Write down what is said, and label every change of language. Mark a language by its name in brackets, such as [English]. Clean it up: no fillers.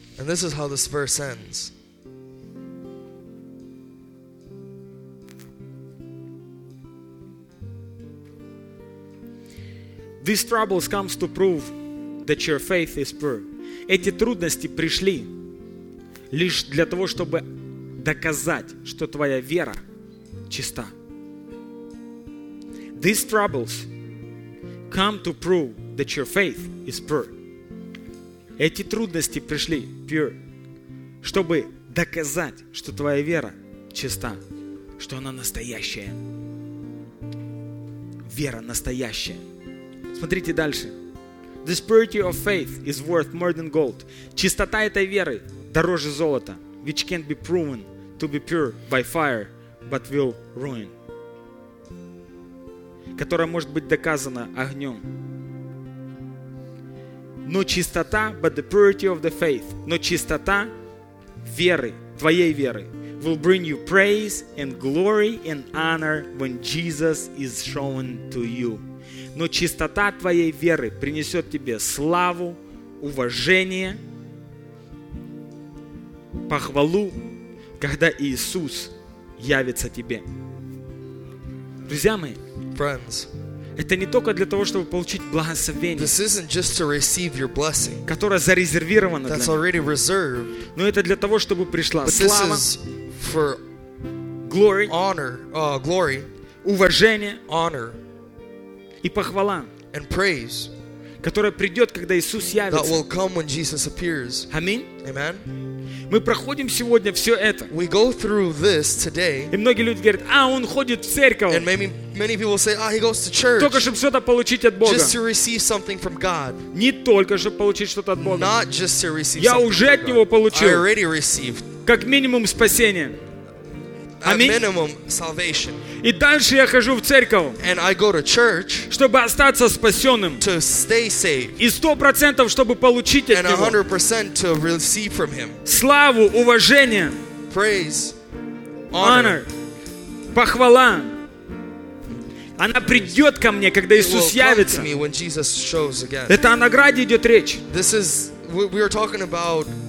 [English] And this is how this verse ends. These troubles comes to prove that your faith is pure. [Russian] Эти трудности пришли лишь для того, чтобы доказать, что твоя вера чиста. [English] These troubles come to prove that your faith is pure. [Russian] Эти трудности пришли pure, чтобы доказать, что твоя вера чиста, что она настоящая. Вера настоящая. Смотрите дальше. [English] The purity of faith is worth more than gold. [Russian] Чистота этой веры дороже золота, [English] which can't be proven to be pure by fire, but will ruin. [Russian] Которая может быть доказана огнем. Но чистота, [English] but the purity of the faith, [Russian] но чистота веры, твоей веры, [English] will bring you praise and glory and honor when Jesus is shown to you. [Russian] Но чистота твоей веры принесет тебе славу, уважение, похвалу, когда Иисус явится тебе. Друзья мои, [English] friends, [Russian] это не только для того, чтобы получить благословение, [English] this isn't just to receive your blessing, [Russian] которое зарезервировано [English] that's [Russian] для [English] already reserved, [Russian] но это для того, чтобы пришла [English] but [Russian] слава, [English] this is for glory, honor, glory, [Russian] уважение, [English] honor, [Russian] и похвала, [English] and praise, [Russian] которая придет, когда Иисус явится. [English] That will come when Jesus appears. [Russian] Аминь. [English] Amen. [Russian] Мы проходим сегодня все это. [English] We go through this today. [Russian] И многие люди говорят, а он ходит в церковь. [English] And maybe many people say, he goes to church. [Russian] Только чтобы что-то получить от Бога. [English] Just to receive something from God. [Russian] Не только чтобы получить что-то от Бога. [English] Not just to receive. [Russian] Я уже от него получил. [English] I already received. [Russian] Как минимум спасение. [English] At minimum, salvation. [Russian] И дальше я хожу в церковь, [English] and I go to church, [Russian] чтобы остаться спасенным, [English] to stay saved, [Russian] и 100% чтобы получить от него, [English] and 100% to receive from him, [Russian] славу, уважение, [English] praise, [Russian] honor, похвала. Она придет ко мне, когда Иисус явится. [English] Me when Jesus shows again. [Russian] Это о награде идет речь. [English] This is we are talking about